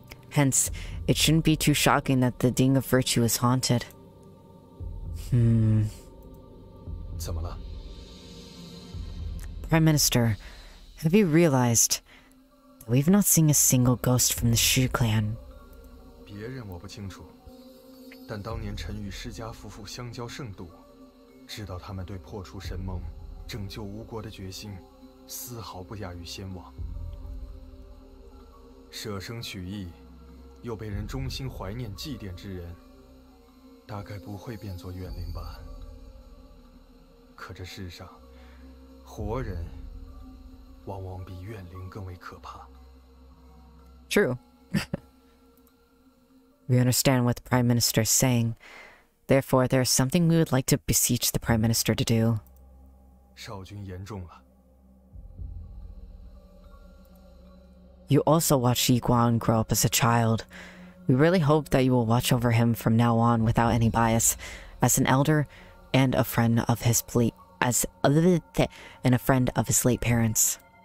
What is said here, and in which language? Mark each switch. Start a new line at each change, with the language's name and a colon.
English: Hence, it shouldn't be too shocking that the Ding of Virtue is haunted. Hmm. Prime Minister, have you realized that we've not seen a single ghost from the Shu clan?
Chinese: 别人我不清楚，但当年臣与世家夫妇相交甚笃，知道他们对破除神盟、拯救吴国的决心，丝毫不亚于先王。舍生取义，又被人衷心怀念祭奠之人。大概不会变作怨灵吧。可这世上，活人往往比怨灵更为可怕。
English: True. We understand what the Prime Minister is saying. Therefore, there is something we would like to beseech the Prime Minister to do.
Chinese: 少君言重了。
English: You also watched Yi Guan grow up as a child. We really hope that you will watch over him from now on without any bias, as an elder and a friend of his late parents.